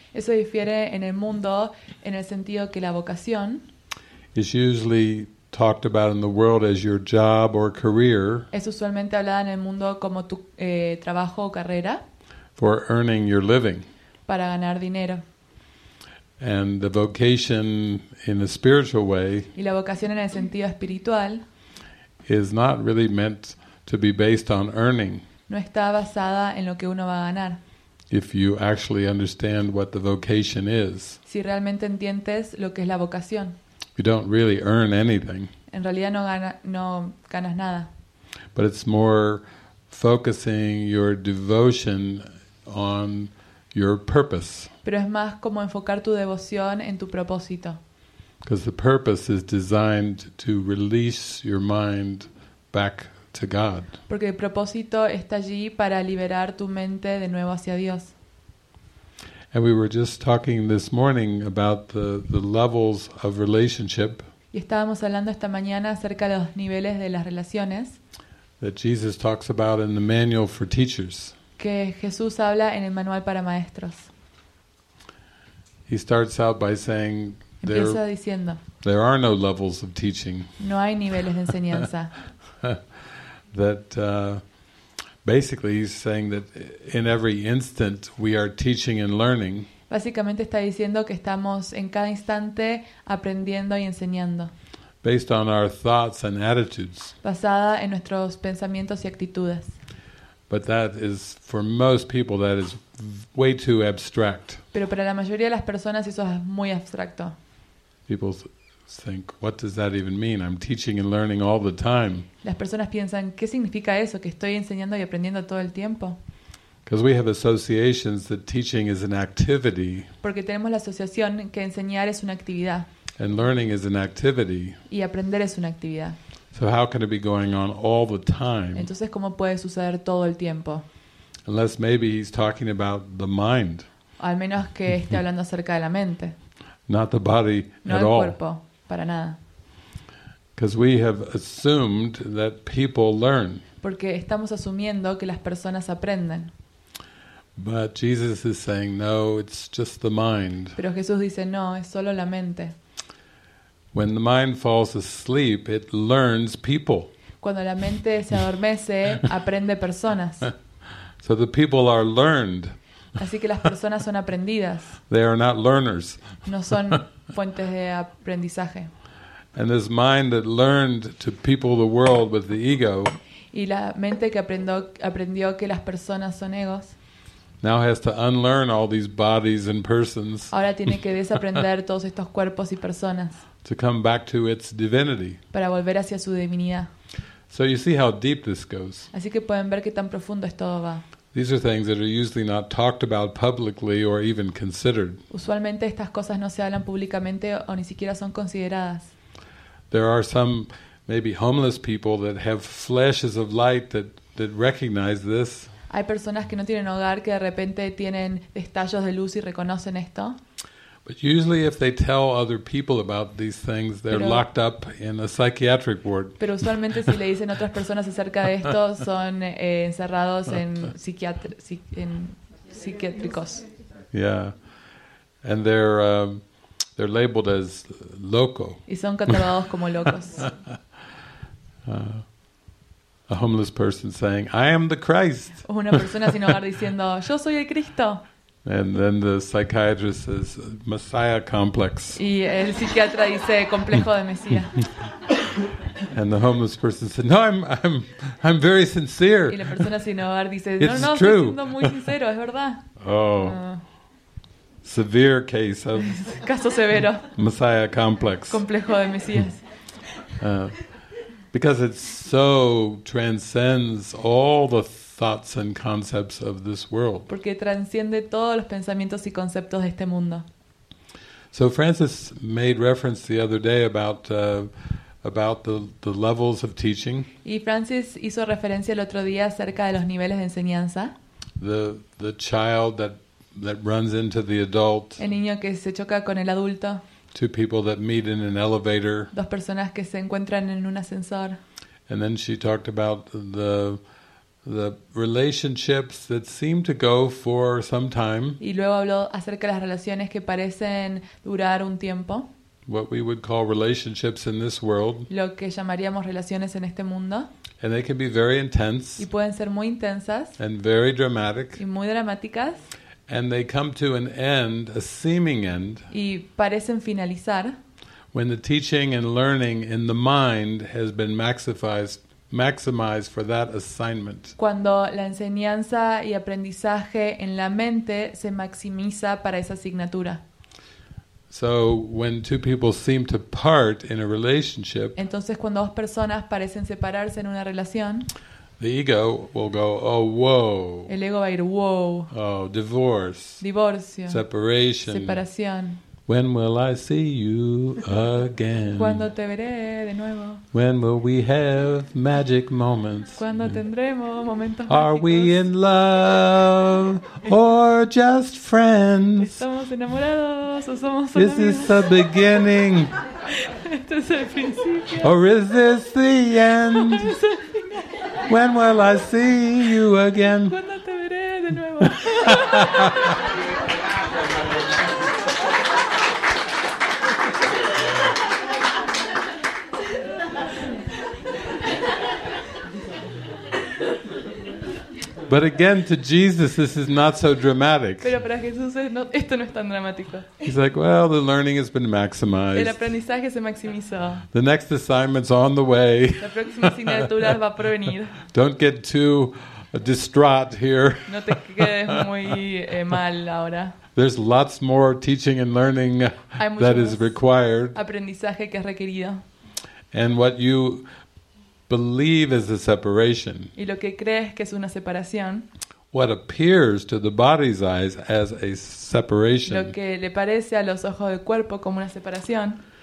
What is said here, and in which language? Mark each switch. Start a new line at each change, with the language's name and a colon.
Spanish: Eso difiere en el mundo en el sentido que la vocación
English: is usually talked about in the world as your job or career.
Spanish: Es usualmente hablada en el mundo como tu trabajo o carrera.
English: For earning your living.
Spanish: Para ganar dinero.
English: And the vocation in a spiritual way.
Spanish: Y la vocación en el sentido espiritual
English: is not really meant to be based on earning.
Spanish: No está basada en lo que uno va a ganar.
English: If you actually understand what the vocation is.
Spanish: Si realmente entiendes lo que es la vocación.
English: You don't really earn anything.
Spanish: En realidad no ganas nada.
English: But it's more focusing your devotion on your purpose.
Spanish: Pero es más como enfocar tu devoción en tu propósito.
English: Because the purpose is designed to release your mind back to God.
Spanish: Porque el propósito está allí para liberar tu mente de nuevo hacia Dios.
English: And we were just talking this morning about the levels of relationship.
Spanish: Y estábamos hablando esta mañana acerca de los niveles de las relaciones.
English: That Jesus talks about in the manual for teachers.
Spanish: Que Jesús habla en el manual para maestros.
English: He starts out by saying there are no levels of teaching.
Spanish: No hay niveles de enseñanza.
English: That basically he's saying that in every instant we are teaching and learning.
Spanish: Básicamente está diciendo que estamos en cada instante aprendiendo y enseñando.
English: Based on our thoughts and attitudes.
Spanish: Basada en nuestros pensamientos y actitudes.
English: But that is for most people that is way too abstract.
Spanish: Pero para la mayoría de las personas eso es muy abstracto.
English: People think, what does that even mean? I'm teaching and learning all the time.
Spanish: Las personas piensan, ¿qué significa eso? Que estoy enseñando y aprendiendo todo el tiempo.
English: Because we have associations that teaching is an activity.
Spanish: Porque tenemos la asociación que enseñar es una actividad.
English: And learning is an activity.
Spanish: Y aprender es una actividad.
English: So how can it be going on all the time?
Spanish: Entonces, ¿cómo puede suceder todo el tiempo?
English: Unless maybe he's talking about the mind.
Spanish: Al menos que esté hablando acerca de la mente.
English: Not the body
Spanish: no
English: at all.
Spanish: No el cuerpo, para nada.
English: Because we have assumed that people learn.
Spanish: Porque estamos asumiendo que las personas aprenden.
English: But Jesus is saying, no, it's just the mind.
Spanish: Pero Jesús dice, no, es solo la mente.
English: When the mind falls asleep, it learns people.
Spanish: Cuando la mente se adormece, aprende personas.
English: So the people are learned.
Spanish: Así que las personas son aprendidas.
English: They are not learners.
Spanish: No son fuentes de aprendizaje.
English: And this mind that learned to people the world with the ego.
Spanish: Y la mente que aprendió que las personas son egos.
English: Now has to unlearn all these bodies and persons.
Spanish: Ahora tiene que desaprender todos estos cuerpos y personas.
English: To come back to its divinity.
Spanish: Para volver hacia su divinidad.
English: So you see how deep this goes.
Spanish: Así que pueden ver qué tan profundo esto va.
English: These are things that are usually not talked about publicly or even considered.
Spanish: Usualmente estas cosas no se hablan públicamente o ni siquiera son consideradas.
English: There are some maybe homeless people that have flashes of light that recognize this.
Spanish: Hay personas que no tienen hogar que de repente tienen destellos de luz y reconocen esto.
English: But usually if they tell other people about these things, they're locked up in a psychiatric ward.
Spanish: Pero usualmente si le dicen otras personas acerca de esto, son encerrados en psiquiátricos.
English: Yeah. And they're labeled as loco.
Spanish: Y son catalogados como locos.
English: A homeless person saying, "I am the Christ."
Spanish: Una persona sin hogar diciendo, "Yo soy el Cristo."
English: And then the psychiatrist says, "Messiah complex."
Spanish: Y el psiquiatra dice, complejo de Mesías.
English: And the homeless person says, "No, I'm very sincere."
Spanish: Y la persona sin hogar dice, "No, estoy siendo muy sincero, es verdad."
English: Oh. Severe case of
Spanish: caso severo.
English: Messiah complex.
Spanish: Complejo de Mesías.
English: Because it so transcends all the thoughts and concepts of this world.
Spanish: Porque transciende todos los pensamientos y conceptos de este mundo.
English: So Francis made reference the other day about the levels of teaching.
Spanish: Y Francis hizo referencia el otro día acerca de los niveles de enseñanza.
English: The child that runs into the adult.
Spanish: El niño que se choca con el adulto.
English: Two people that meet in an elevator.
Spanish: Dos personas que se encuentran en un ascensor.
English: And then she talked about the relationships that seem to go for some time.
Spanish: Y luego habló acerca de las relaciones que parecen durar un tiempo.
English: What we would call relationships in this world.
Spanish: Lo que llamaríamos relaciones en este mundo.
English: And they can be very intense.
Spanish: Y pueden ser muy intensas.
English: And very dramatic.
Spanish: Y muy dramáticas.
English: And they come to an end, a seeming end.
Spanish: Y parecen finalizar.
English: When the teaching and learning in the mind has been maximized for that assignment.
Spanish: Cuando la enseñanza y aprendizaje en la mente se maximiza para esa asignatura.
English: So when two people seem to part in a relationship.
Spanish: Entonces cuando dos personas parecen separarse en una relación.
English: The ego will go, oh, whoa.
Spanish: El ego va a ir, whoa.
English: Oh, divorce.
Spanish: Divorcio.
English: Separation.
Spanish: Separación.
English: When will I see you again?
Spanish: ¿Cuándo te veré de nuevo?
English: When will we have magic moments?
Spanish: ¿Cuándo tendremos momentos mágicos?
English: Are we in love or just friends?
Spanish: ¿Estamos enamorados o somos solo amigos?
English: This is the beginning.
Spanish: Esto es el principio.
English: Or is this the end? When will I see you again?
Spanish: ¿Cuándo te veré de nuevo?
English: But again, to Jesus, this is not so dramatic.
Spanish: Pero para Jesús esto no es tan dramático.
English: He's like, well, the learning has been maximized.
Spanish: El aprendizaje se maximizó.
English: The next assignment's on the way.
Spanish: La próxima asignatura va a provenir.
English: Don't get too distraught here.
Spanish: No te quedes muy mal ahora.
English: There's lots more teaching and learning that is required.
Spanish: Aprendizaje que es requerido.
English: And what you believe is a separation.
Spanish: Y lo que crees que es una separación.
English: what appears to the body's eyes as a separation.
Spanish: Lo que le parece a los ojos del cuerpo como una separación.